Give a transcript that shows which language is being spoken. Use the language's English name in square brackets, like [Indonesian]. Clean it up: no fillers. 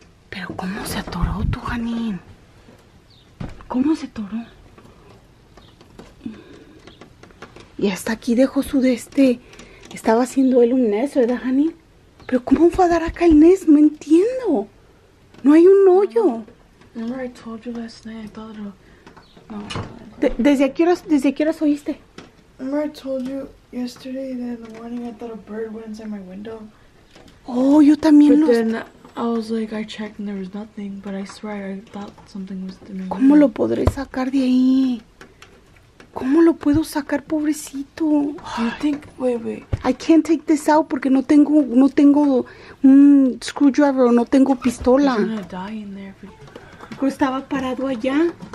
[Spanish] Pero ¿cómo se atoró tu Janín? ¿Cómo se atoró? Y hasta aquí dejó su de este. Estaba haciendo él un nest, ¿verdad, Janín? Pero ¿cómo fue a dar acá el nest? No entiendo. No hay un hoyo. [English] Remember I told you last night, I thought it'll... No. [Spanish] Desde aquí horas oíste? [English] Remember I told you yesterday that in the morning I thought a bird went inside my window. [Spanish] Oh, yo también [English] lo... But then I was like, I checked and there was nothing, but I swear I thought something was in my window. [Spanish] ¿Cómo lo podré sacar de ahí? ¿Cómo lo puedo sacar, pobrecito? [English] Do you think... Wait. I can't take this out [Spanish] porque no tengo un screwdriver o no tengo pistola. [English] He's gonna die in there. [Spanish] Yo estaba parado allá.